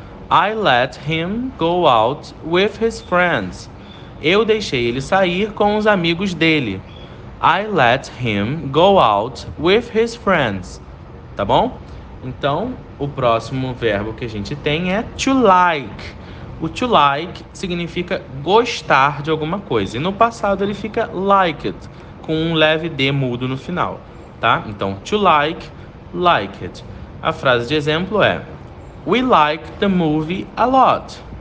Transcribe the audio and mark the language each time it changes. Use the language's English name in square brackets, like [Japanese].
[English] I let him go out with his friends. [Portuguese] Eu deixei ele sair com os amigos dele. [English] I let him go out with his friends. [Portuguese] Tá bom? Então, o próximo verbo que a gente tem é to like. O to like significa gostar de alguma coisa. E no passado ele fica liked, com um leve D mudo no final. Tá? Então, to like, liked. A frase de exemplo é: [English] We like the movie a lot.